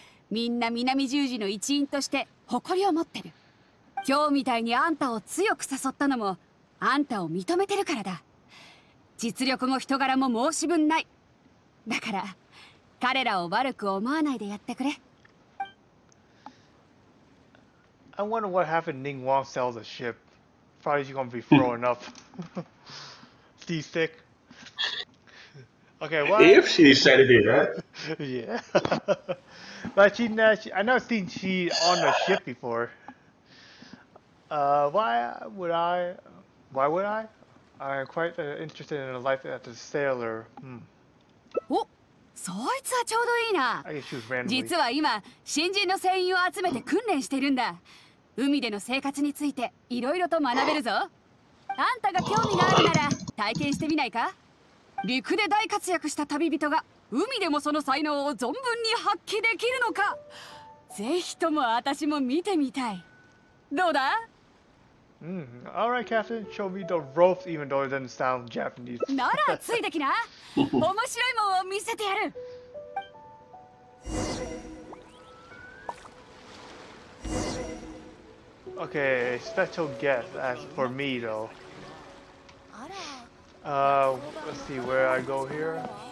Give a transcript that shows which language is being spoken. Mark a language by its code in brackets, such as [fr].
[ja] みんな南十字の一員として誇りを持ってる。今日みたいにあんたを強く誘ったのもあんたを認めてるからだ。実力も人柄も申し分ない。だから彼らを悪く思わないでやってくれ。 [en] I wonder what happened Ning Wong sells the ship. Probably she's gonna be throwing up. Seasick. Okay, what? If she decided to do that. Yeah. But I've never seen she on a ship before. Why would I? I'm quite interested in a life as a sailor. [ja] Oh, そいつはちょうどいいな。実は今、新人の船員を集めて訓練してるんだ。海での生活についていろいろと学べるぞ。あんたが興味があるなら体験してみないか。陸で大活躍した旅人が海でもその才能を存分に発揮できるのか。ぜひとも私も見てみたい。どうだ？ [en] All right, Captain. Show me the ropes, even though it doesn't sound Japanese. [ja] ならついてきな。面白いもんを見せてやる。 [en] Okay, special guest as for me though. Let's see where I go here.